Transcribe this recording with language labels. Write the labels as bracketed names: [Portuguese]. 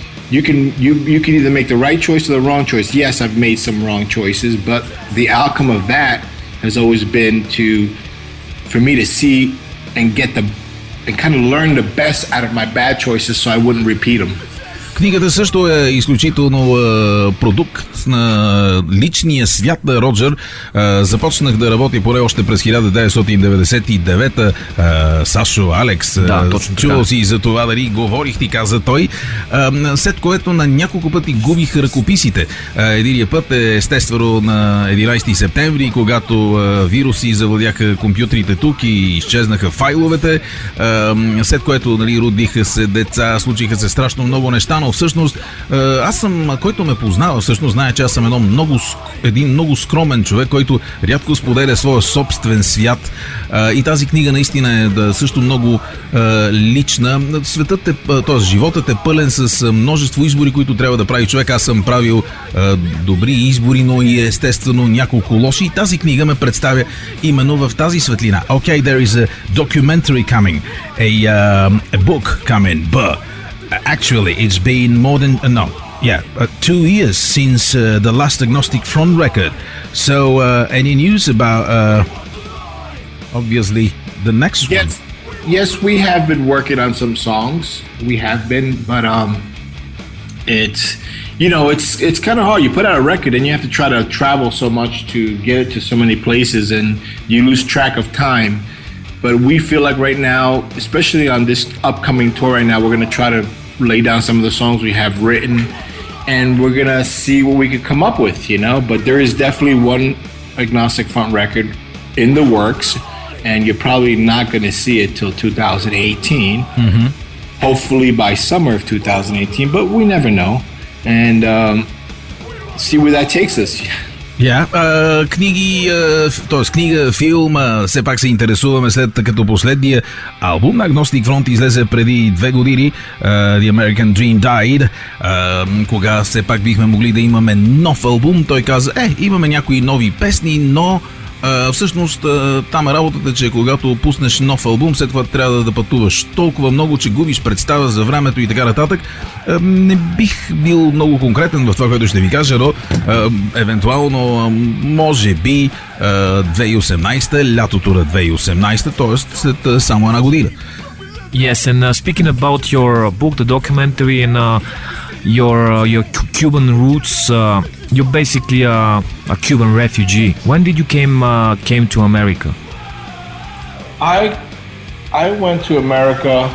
[English] You can either make the right choice or the wrong choice. Yes, I've made some wrong choices, but the outcome of that has always been for me to see and get the, and kind of learn the best out of my bad choices so I wouldn't repeat them. [Bulgarian] Книгата също е изключително продукт на личния свят на Роджер. Започнах да работя поне още през 1999. Сашо, Алекс, да, чувал си за това, дали говорих ти, каза той. След което на няколко пъти губих ръкописите. Единия път е естествено на 11 септември, когато вируси завладяха компютрите тук и изчезнаха файловете. След което, нали, родиха се деца, случиха се страшно много неща, но всъщност, аз съм, който ме познава, всъщност знае, че аз съм един много скромен човек, който рядко споделя своя собствен свят. И тази книга наистина е също много лична. Светът е, т.е. животът е пълен с множество избори, които трябва да прави човек. Аз съм правил добри избори, но и естествено няколко лоши. И тази книга ме представя именно в тази светлина. [English] Okay, there is a documentary coming. A book coming, actually, it's been more than 2 years since the last Agnostic Front record. So, any news about obviously the next one. Yes, we have been working on some songs. We have been, but it's, you know, it's kind of hard. You put out a record and you have to try to travel so much to get it to so many places and you lose track of time. But we feel like right now, especially on this upcoming tour right now, we're going to try to lay down some of the songs we have written and we're going to see what we could come up with, you know. But there is definitely one Agnostic Front record in the works and you're probably not going to see it till 2018. Mm-hmm. Hopefully by summer of 2018, but we never know. And see where that takes us. [Bulgarian] Yeah. Книги, т.е. книга, филм, все пак се интересуваме след като последния албум на Agnostic Front излезе преди две години, The American Dream Died, кога все пак бихме могли да имаме нов албум. Той каза, имаме някои нови песни, но всъщност там е работата, че когато пуснеш нов албум, след това трябва да пътуваш толкова много, че губиш представа за времето и така нататък. Не бих бил много конкретен в това, което ще ви кажа, но евентуално, може би 2018, лятото на 2018, т.е. след само една година. [English] Yes, and speaking about your book, the documentary and your Cuban roots, you're basically a Cuban refugee. When did you came to America? I went to America.